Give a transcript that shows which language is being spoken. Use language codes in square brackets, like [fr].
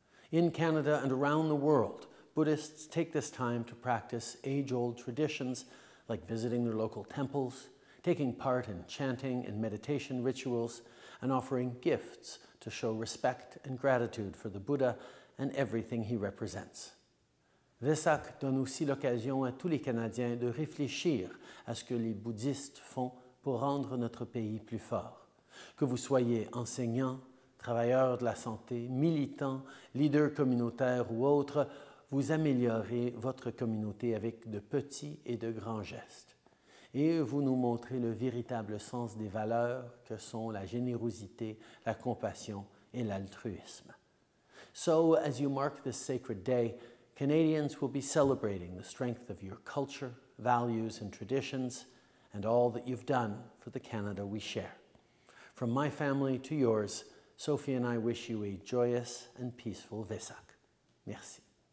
[en] In Canada and around the world, Buddhists take this time to practice age-old traditions like visiting their local temples, taking part in chanting and meditation rituals, and offering gifts to show respect and gratitude for the Buddha and everything he represents. [fr] Vesak donne aussi l'occasion à tous les Canadiens de réfléchir à ce que les bouddhistes font pour rendre notre pays plus fort. Que vous soyez enseignant, travailleur de la santé, militant, leader communautaire ou autre, vous améliorez votre communauté avec de petits et de grands gestes. Et vous nous montrez le véritable sens des valeurs que sont la générosité, la compassion et l'altruisme. [en] So, as you mark this sacred day, Canadians will be celebrating the strength of your culture, values, and traditions, and all that you've done for the Canada we share. From my family to yours, Sophie and I wish you a joyous and peaceful Vesak. Merci.